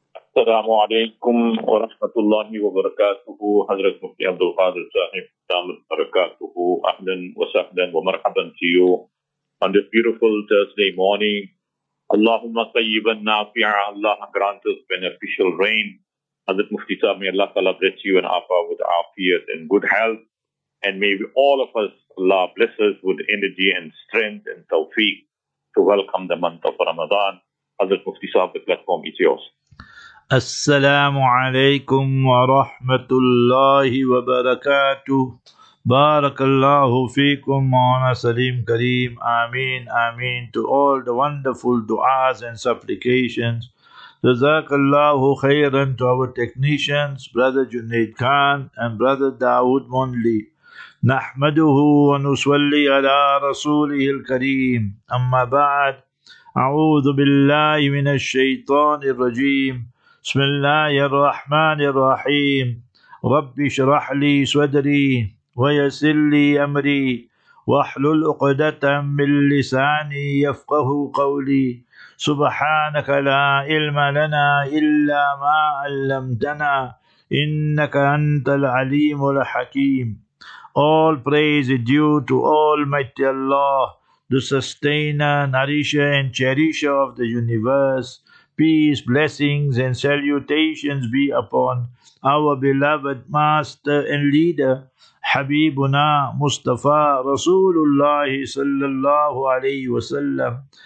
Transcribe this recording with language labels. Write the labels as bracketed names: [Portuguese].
[Arabic] السلام عليكم ورحمة الله وبركاته، حضرة مفتي عبد القادر صاحب دام بركاته، أهلا وسهلا ومرحبا [English] to you on this beautiful Thursday morning. [Arabic] اللهم طيبا نافعا، اللهم [English] grant us beneficial rain. حضرة مفتي سامي، [Arabic] الله تعالى [English] bless you and offer with عافيت and good health. And may all of us, Allah bless us with energy and strength and tawfiq to welcome the month of Ramadan. حضرة مفتي سامي، the platform is yours. [Arabic] السلام عليكم ورحمة الله وبركاته، بارك الله فيكم، مولانا سليم كريم، آمين آمين. [English] To all the wonderful du'as and supplications, [Arabic] جزاك الله خيرا. [English] To our technicians, brother Junaid Khan and brother Dawood Monley, [Arabic] نحمده ونصلي على رسوله الكريم. أما بعد، أعوذ بالله من الشيطان الرجيم، بسم الله الرحمن الرحيم، رب اشرح لي صدري ويسر لي أمري واحلل عقدة من لساني يفقه قولي، سبحانك لا علم لنا إلا ما علمتنا إنك أنت العليم الحكيم. [English] All praise is due to Almighty Allah, the sustainer, nourisher and cherisher of the universe. Peace, blessings, and salutations be upon our beloved master and leader, Habibuna Mustafa Rasulullah sallallahu alayhi wa sallam.